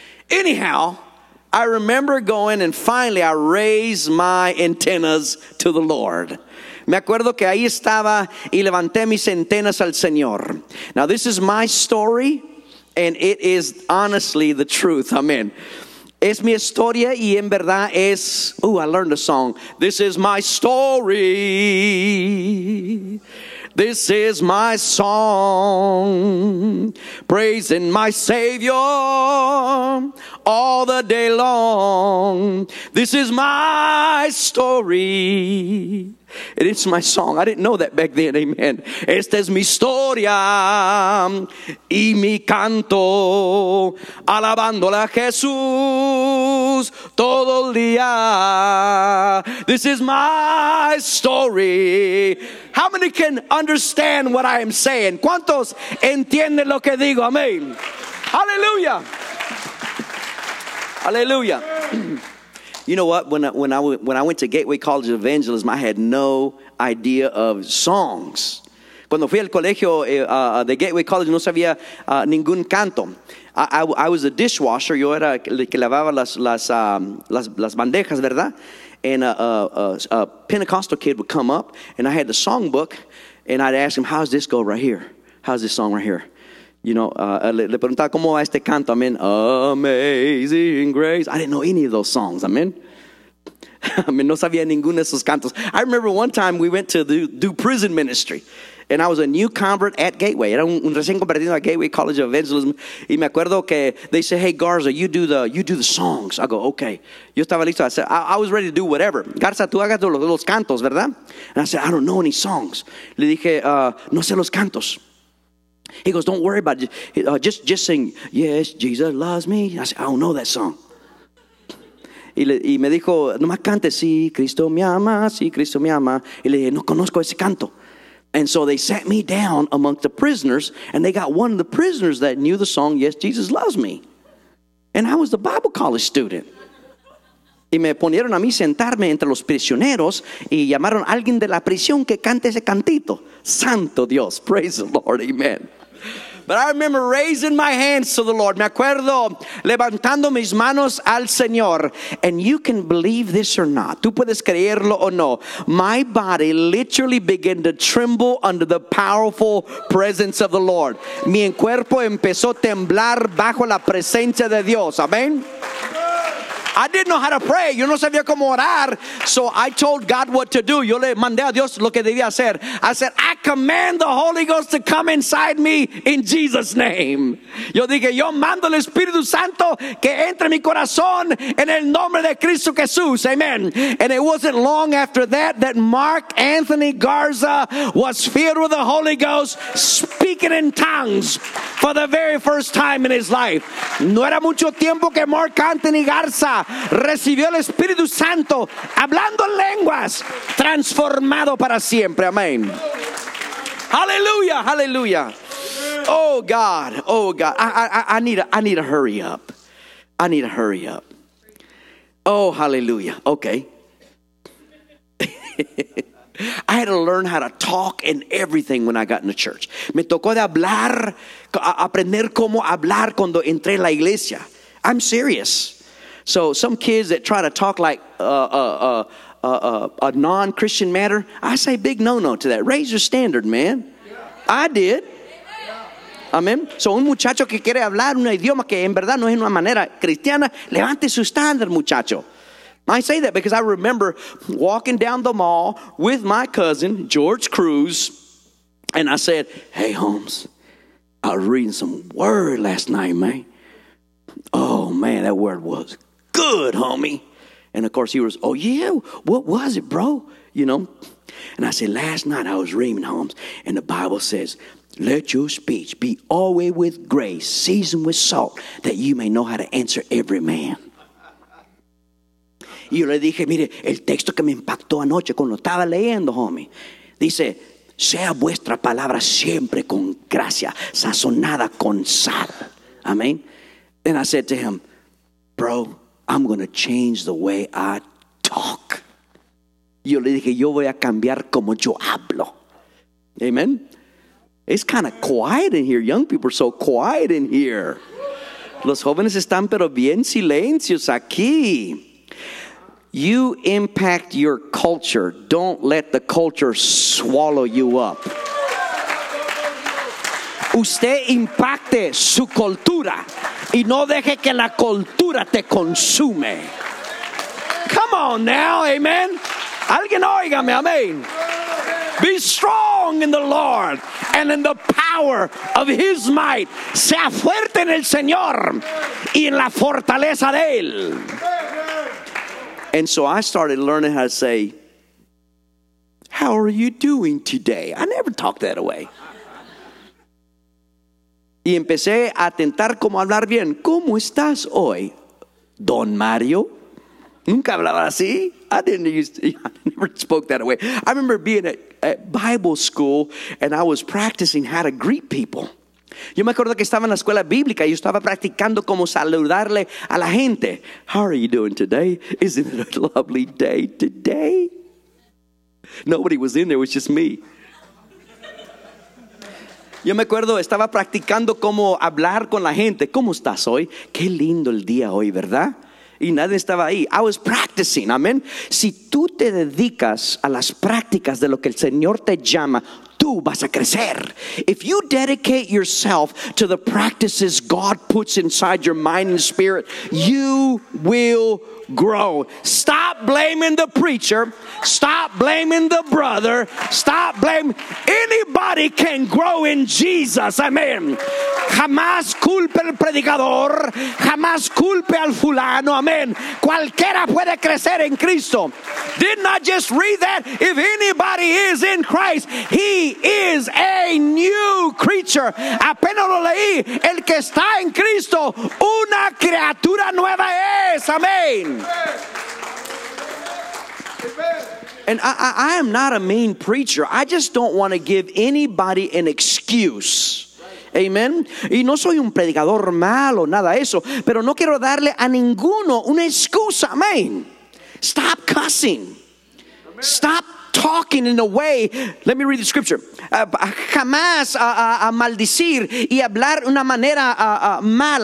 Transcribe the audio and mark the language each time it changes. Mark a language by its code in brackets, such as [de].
[en] Anyhow, I remember going and finally I raised my antennas to the Lord. [es] Me acuerdo que ahí estaba y levanté mis antenas al Señor. [en] Now, this is my story. And it is honestly the truth. Amen. [es] Es mi historia y en verdad es... [en] Ooh, I learned a song. This is my story. This is my song. Praising my Savior all the day long. This is my story. And it's my song. I didn't know that back then. Amen. [es] Esta es mi historia y mi canto, alabándole a Jesús todo el día. [en] This is my story. How many can understand what I am saying? [es] ¿Cuántos entienden lo que digo? Amen. Hallelujah. [en] Hallelujah. You know what? When I went to Gateway College of Evangelism, I had no idea of songs. [es] Cuando fui al colegio de Gateway College, no sabía ningún canto. [en] I was a dishwasher. [es] Yo era el que lavaba las bandejas, ¿verdad? [en] And a Pentecostal kid would come up, and I had the songbook, and I'd ask him, "How's this go right here? How's this song right here?" You know, [es] le preguntaba cómo va este canto. [en] Amen. Amazing Grace. I didn't know any of those songs. Amen. [es] I mean, no sabía ninguno de esos cantos. [en] I remember one time we went to do prison ministry. And I was a new convert at Gateway. [es] Era un recién convertido a Gateway College of Evangelism. Y me acuerdo que [en] they said, "Hey, Garza, you do the songs." I go, "Okay." [es] Yo estaba listo. [en] I said, I was ready to do whatever. [es] Garza, tú hagas los cantos, ¿verdad? [en] And I said, "I don't know any songs." [es] Le dije, "No sé los cantos." [en] He goes, "Don't worry about it. Just sing, 'Yes, Jesus loves me.'" I said, "I don't know that song." [es] Y me dijo, "Nomás cante, sí, Cristo me ama, sí, Cristo me ama." Y le dije, "No conozco ese canto." [en] And so they sat me down amongst the prisoners, and they got one of the prisoners that knew the song, "Yes, Jesus Loves Me." And I was the Bible college student. [es] Y me ponieron a mí sentarme entre los prisioneros, y llamaron a alguien de la prisión que cante ese cantito. Santo Dios, [en] praise the Lord, amen. But I remember raising my hands to the Lord. [es] Me acuerdo levantando mis manos al Señor. [en] And you can believe this or not. [es] Tú puedes creerlo o no. [en] My body literally began to tremble under the powerful presence of the Lord. [es] Mi cuerpo empezó a temblar bajo la presencia de Dios. [en] Amen. I didn't know how to pray. [es] Yo no sabía cómo orar. [en] So I told God what to do. [es] Yo le mandé a Dios lo que debía hacer. [en] I said, "I command the Holy Ghost to come inside me in Jesus' name." [es] Yo dije, "Yo mando el Espíritu Santo que entre mi corazón en el nombre de Cristo Jesús." [en] Amen. And it wasn't long after that Mark Anthony Garza was filled with the Holy Ghost, speaking in tongues for the very first time in his life. [es] No era mucho tiempo que Mark Anthony Garza recibió el Espíritu Santo hablando en lenguas, transformado para siempre. Amén. Hallelujah, hallelujah. [en] Oh God, oh God. I need to hurry up. I need to hurry up. Oh, hallelujah. Okay. I had to learn how to talk and everything when I got in the church. [es] Me tocó de hablar, aprender cómo hablar cuando entré en la iglesia. [en] I'm serious. So some kids that try to talk like a non-Christian matter, I say big no-no to that. Raise your standard, man. Yeah. I did. Yeah. Amen. [es] So un muchacho que quiere hablar un idioma que en verdad no es una manera cristiana, levante su standard, muchacho. [en] I say that because I remember walking down the mall with my cousin, George Cruz, and I said, "Hey, Holmes, I was reading some word last night, man. Oh, man, that word was good, homie." And of course he was, "Oh yeah, what was it, bro?" You know. And I said, "Last night I was reading, Holmes, and the Bible says, 'Let your speech be always with grace, seasoned with salt, that you may know how to answer every man.'" [es] Y yo le dije, "Mire, el texto que me impactó anoche cuando estaba leyendo, homie, dice, 'Sea vuestra palabra siempre con gracia, sazonada con sal.'" [en] Amen. And I said to him, "Bro, I'm going to change the way I talk." [es] Yo le dije, "Yo voy a cambiar como yo hablo." [en] Amen. It's kind of quiet in here. Young people are so quiet in here. [es] Los jóvenes están pero bien silencios aquí. [en] You impact your culture. Don't let the culture swallow you up. [es] Usted impacte su cultura. Y no deje que la cultura te consume. [en] Come on now, amen. [es] Alguien óigame, [en] amen. Be strong in the Lord and in the power of His might. [es] Sea fuerte en el Señor y en la fortaleza de Él. [en] And so I started learning how to say, "How are you doing today?" I never talked that away. [es] Y empecé a tentar como hablar bien. "¿Cómo estás hoy, Don Mario?" Nunca hablaba así. [en] I never spoke that way. I remember being at Bible school and I was practicing how to greet people. [es] Yo me acuerdo que estaba en la escuela bíblica y yo estaba practicando cómo saludarle a la gente. [en] "How are you doing today? Isn't it a lovely day today?" Nobody was in there, it was just me. [es] Yo me acuerdo, estaba practicando cómo hablar con la gente. ¿Cómo estás hoy? Qué lindo el día hoy, ¿verdad? Y nadie estaba ahí. [en] I was practicing, amén. [es] Si tú te dedicas a las prácticas de lo que el Señor te llama, tú vas a crecer. [en] If you dedicate yourself to the practices God puts inside your mind and spirit, you will grow. Stop blaming the preacher. Stop blaming the brother. Stop blaming. Anybody can grow in Jesus. Amen. [es] Jamás culpe al predicador. Jamás culpe al fulano. Amen. Cualquiera puede crecer en Cristo. [en] Didn't I just read that? If anybody is in Christ, he is a new creature. [es] Apenas lo leí. El que está en Cristo, una criatura nueva es. [en] Amen. And I am not a mean preacher. I just don't want to give anybody an excuse. Amen. [es] Y no soy un predicador malo, nada de eso. Pero no quiero darle a ninguno una excusa. [en] Amen. Stop cussing. Stop talking in a way. Let me read the scripture. [es] Jamás a maldecir y hablar una manera mal.